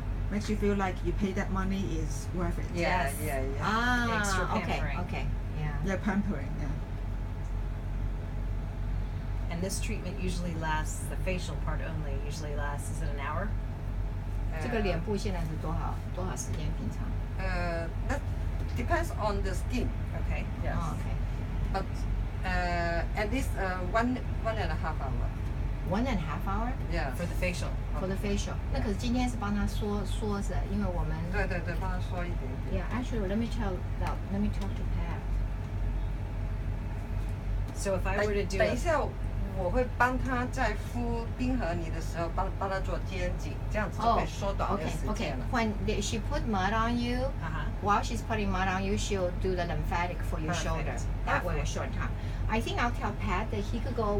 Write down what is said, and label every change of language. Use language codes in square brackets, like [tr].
[en] Makes you feel like you pay that money is worth it. Yes. Yeah. Yeah. Ah. Extra pampering. Okay. Okay. Yeah. Yeah. Pampering. Yeah. This treatment usually lasts, the facial part only, usually lasts, is it an hour? [zh] 这个脸部现在是多少时间平常? [en] That depends on the skin. Okay. Yes. Oh, okay. But at least one and a half hour. 1.5 hour? Yes. For the facial. Okay. For the facial. Yes. [zh] 那可是今天是帮他说着，因为我们... 对对对，帮他说一点点。 [en] Yeah, actually, let me talk to Pat. So if I were to do... [zh] 等一下, 我会帮他在敷冰河泥的时候帮他做肩颈，这样子就可以缩短那个时间了。 [en] Okay, when she put mud on you, while she's putting mud on you, she'll do the lymphatic for your shoulder. That way, a short time. I think I'll tell Pat that he could go.